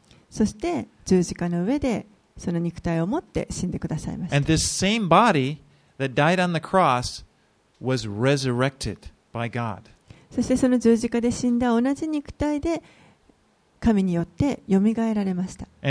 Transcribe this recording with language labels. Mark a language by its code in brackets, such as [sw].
[ja] そして十字架の上でその肉体を持って死んでくださいました。 [en] And this same body that died on the cross was resurrected by God. [ja] そしてその十字架で死んだ同じ肉体で神によってよみがえられました。